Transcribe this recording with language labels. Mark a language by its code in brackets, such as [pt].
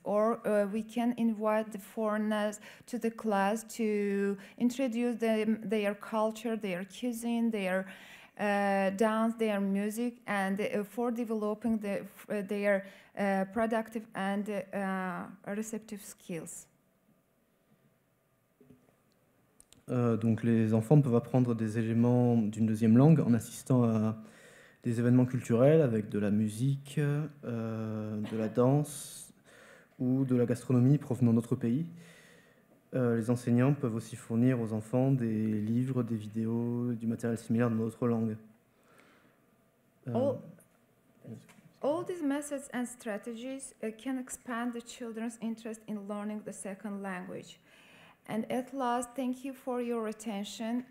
[en] Or we can invite the foreigners to the class to introduce them, their culture, their cuisine, their dance, their music, and for developing their productive and receptive skills. [fr] Donc les enfants peuvent apprendre des éléments d'une deuxième langue en assistant à des événements culturels avec de la musique, de la danse ou de la gastronomie provenant d'autres pays. Les enseignants peuvent aussi fournir aux enfants des livres, des vidéos, du matériel similaire dans d'autres langues. [en] All these methods and strategies can expand the children's interest in learning the second language. And at last, thank you for your attention.